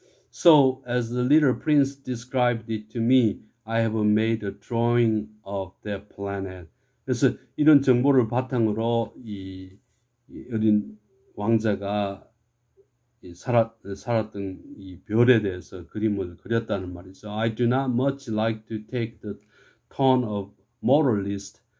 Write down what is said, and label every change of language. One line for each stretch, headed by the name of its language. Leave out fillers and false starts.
English: So as the little prince described it to me, I have made a drawing of that planet.
Korean: 그래서 이런 정보를 바탕으로 이 어린 왕자가 살았던 이 별에 대해서 그림을 그렸다는 말이죠.
English: I do not much like to take the tone of moralist.